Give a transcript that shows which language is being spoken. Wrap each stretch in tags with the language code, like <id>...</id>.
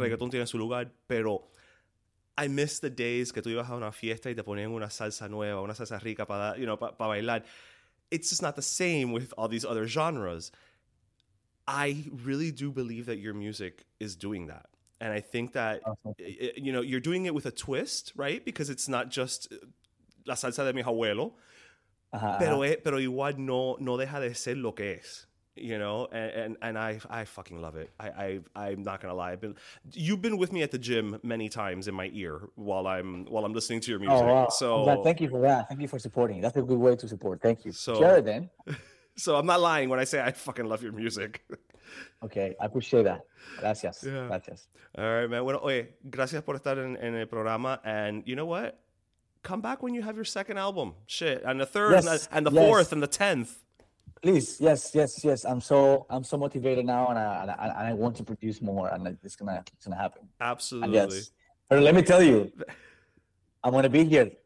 <es>Reggaeton tiene su lugar, pero</es> <en>I miss the days</en> <es>que tú ibas a una fiesta y te ponían una salsa nueva, una salsa rica para,</es> <en>you know,</en> <es>para bailar.</es> <en>It's just not the same with all these other genres. I really do believe that your music is doing that. And I think that, you know, you're doing it with a twist, right? Because it's not just</en> <es>la salsa de mi abuelo. Pero igual no deja de ser lo que es.</es> <en>You know, and I fucking love it. I'm not gonna lie. You've been with me at the gym many times in my ear while I'm listening to your music. Oh, wow. So yeah, thank you for that. Thank you for supporting. That's a good way to support. Thank you. So share it then. So I'm not lying when I say I fucking love your music. Okay, I appreciate that. Gracias. Yeah. Gracias. All right, man.</en> <es>Bueno, oye, gracias por estar en el programa.</es> <en>And you know what? Come back when you have your second album. Shit, and the third, yes, and the fourth, and the tenth. Please, yes. I'm so motivated now, and I want to produce more, and it's gonna happen. Absolutely. Yes. But let me tell you, I'm gonna be here.</en>